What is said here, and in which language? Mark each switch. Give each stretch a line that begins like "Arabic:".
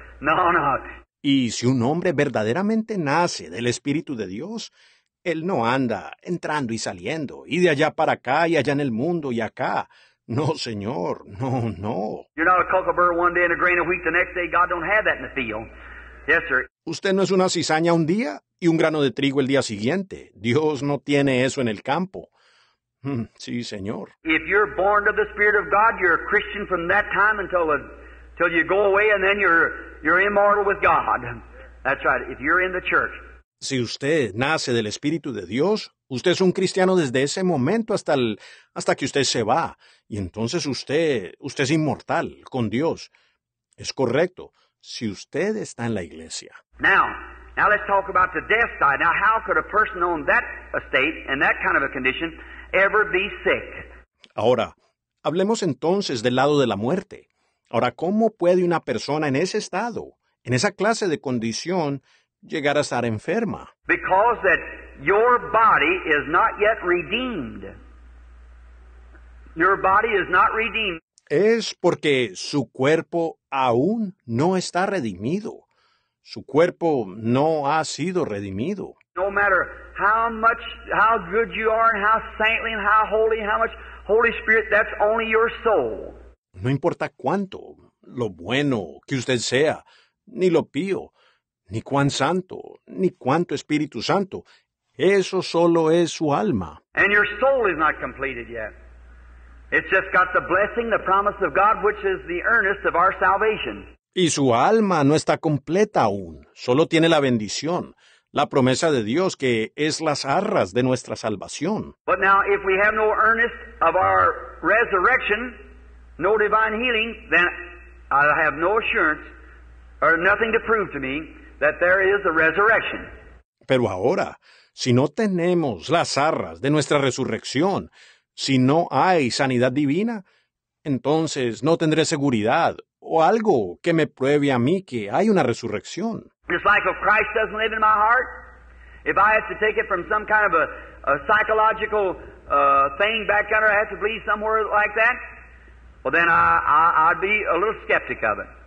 Spanish: No, no. Y si un hombre verdaderamente nace del Espíritu de Dios, él no anda entrando y saliendo, y de allá para acá y allá en el mundo y acá. No, señor, no, no.
English: You're not a cuckleburr one day and a grain of wheat the next day. God don't have that in the field. Yes, sir.
Spanish: Usted no es una cizaña un día y un grano de trigo el día siguiente. Dios no tiene eso en el campo. Sí, señor.
English: If you're born of the Spirit of God, you're a Christian from that time until you go away and then you're immortal with God. That's right. If you're in the church.
Spanish: Si usted nace del Espíritu de Dios, usted es un cristiano desde ese momento hasta que usted se va. Y entonces usted es inmortal con Dios. Es correcto. Si usted está en la iglesia.
English: Now let's talk about the death side. Now, how could a person own that estate and that kind of a condition ever be sick?
Spanish: Ahora, hablemos entonces del lado de la muerte. Ahora, ¿cómo puede una persona en ese estado, en esa clase de condición, llegar a estar enferma?
English: Because that your body is not yet redeemed. Your body is not redeemed.
Spanish: Es porque su cuerpo aún no está redimido. Su cuerpo no ha sido redimido.
English: No matter how much, how good you are, and how saintly, and how holy, how much Holy Spirit, that's only your soul.
Spanish: No importa cuánto, lo bueno que usted sea, ni lo pío, ni cuán santo, ni cuánto Espíritu Santo, eso solo es su alma.
English: And your soul is not completed yet. It's just got the blessing, the promise of God, which is the earnest of our salvation.
Spanish: Y su alma no está completa aún, solo tiene la bendición. La promesa de Dios, que es las arras de nuestra salvación.
English: But now, if we have no earnest of our resurrection, no divine healing, then I have no assurance or nothing to prove to me that there is a resurrection.
Spanish: Pero ahora, si no tenemos las arras de nuestra resurrección, si no hay sanidad divina, entonces no tendré seguridad o algo que me pruebe a mí que hay una resurrección.
English: It's like if Christ doesn't live in my heart, if I have to take it from some kind of a psychological thing back under, I have to believe somewhere like that. Well, then I'd be a little skeptic of it.